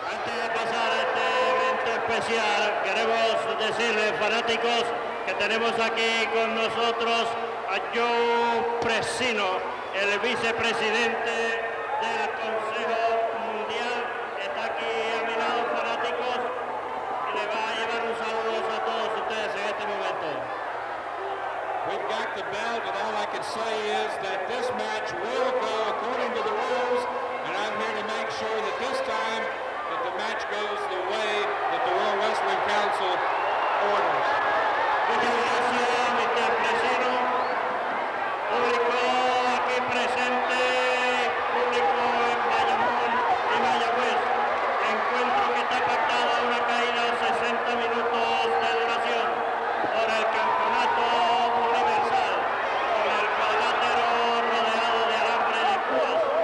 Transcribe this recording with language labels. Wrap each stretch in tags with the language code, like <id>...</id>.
<es>Antes de pasar a este evento especial, queremos decirle, fanáticos, que tenemos aquí con nosotros a Joe Perecino, el vicepresidente del Consejo Mundial. Está aquí a mi lado, fanáticos, y le va a llevar un saludo a todos ustedes en este momento.</es> <en>We've got the belt, and all I can say is that this match will go according to the rules, and I'm here to make sure that this time that the match goes the way that the World Wrestling Council orders.</en> <es>Muchas gracias, Mr. Perecino. Público aquí presente, público en Bayamón y Mayagüez. Encuentro que está pactada una caída de 60 minutos de duración por el campeonato universal, con el cuadrilátero rodeado de alambre de púas.</es>